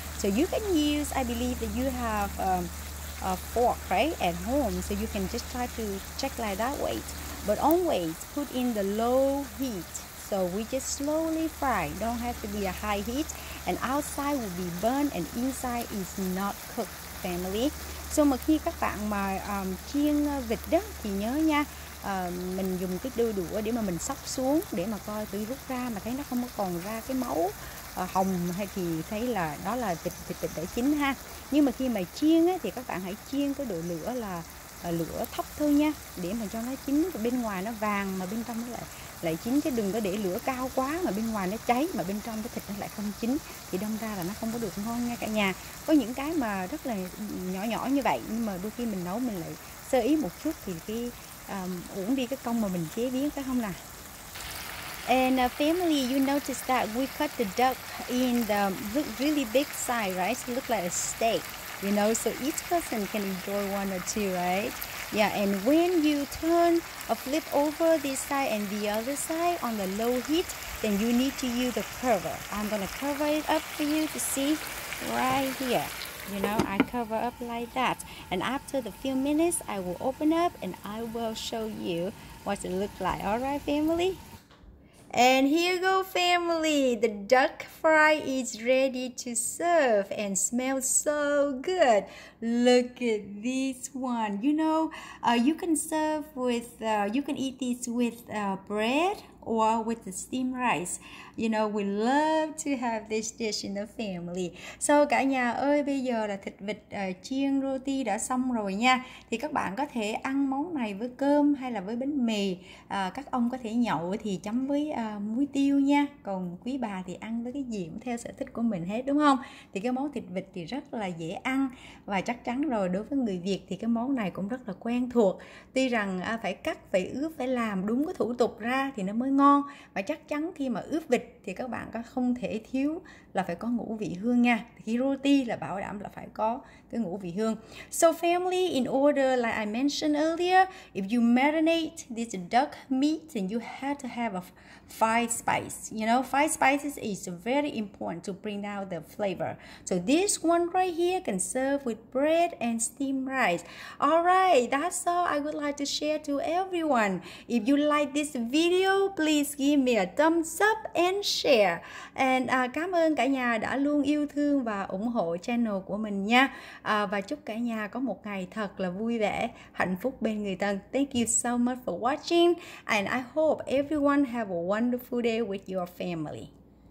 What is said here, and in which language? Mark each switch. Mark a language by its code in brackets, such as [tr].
[en] So you can use, I believe that you have a fork, right, at home. So you can just try to check like that way. But always put in the low heat. So we just slowly fry. Don't have to be a high heat. And outside will be burnt and inside is not cooked, family. [vi] So mà khi các bạn mà chiên vịt đó thì nhớ nha, mình dùng cái đôi đũa để mà mình xóc xuống để mà coi thử rút ra mà thấy nó không có còn ra cái máu hồng hay thì thấy là đó là vịt đã chín ha. Nhưng mà khi mà chiên á, thì các bạn hãy chiên cái độ lửa là lửa thấp thôi nha, để mà cho nó chín, bên ngoài nó vàng mà bên trong nó lại chín, chứ đừng có để lửa cao quá mà bên ngoài nó cháy mà bên trong cái thịt nó lại không chín thì đâm ra là nó không có được ngon nha cả nhà. Có những cái mà rất là nhỏ nhỏ như vậy nhưng mà đôi khi mình nấu mình lại sơ ý một chút thì cái uổng đi cái công mà mình chế biến, phải không nào? [en] And family, you notice that we cut the duck in the really big size, right? So it looks like a steak, you know, so each person can enjoy one or two, right? Yeah, and when you turn or flip over this side and the other side on the low heat, then you need to use the cover. I'm gonna cover it up for you to see right here. You know, I cover up like that. And after the few minutes, I will open up and I will show you what it looks like. All right, family? And here you go, family. The duck fry is ready to serve and smells so good. Look at this one. You know, you can serve with, you can eat this with bread or with the steamed rice. You know, we love to have this dish in the family. [vi] So cả nhà ơi, bây giờ là thịt vịt chiên roti đã xong rồi nha. Thì các bạn có thể ăn món này với cơm hay là với bánh mì. Các ông có thể nhậu thì chấm với muối tiêu nha. Còn quý bà thì ăn với cái gì cũng theo sở thích của mình hết, đúng không? Thì cái món thịt vịt thì rất là dễ ăn. Và chắc chắn rồi, đối với người Việt thì cái món này cũng rất là quen thuộc. Tuy rằng phải cắt, phải ướp, phải làm đúng cái thủ tục ra thì nó mới ngon. Và chắc chắn khi mà ướp vịt thì các bạn có không thể thiếu là phải có ngũ vị hương nha. Thì roti là bảo đảm là phải có cái ngũ vị hương. [en] So family, in order like I mentioned earlier, if you marinate this duck meat, then you have to have a five spice. You know, five spices is very important to bring out the flavor. So this one right here can serve with bread and steamed rice. Alright, that's all I would like to share to everyone. If you like this video, please give me a thumbs up and share. [vi] And cảm ơn cả nhà đã luôn yêu thương và ủng hộ channel của mình nha. Và chúc cả nhà có một ngày thật là vui vẻ, hạnh phúc bên người thân. [en] Thank you so much for watching. And I hope everyone have a wonderful day with your family.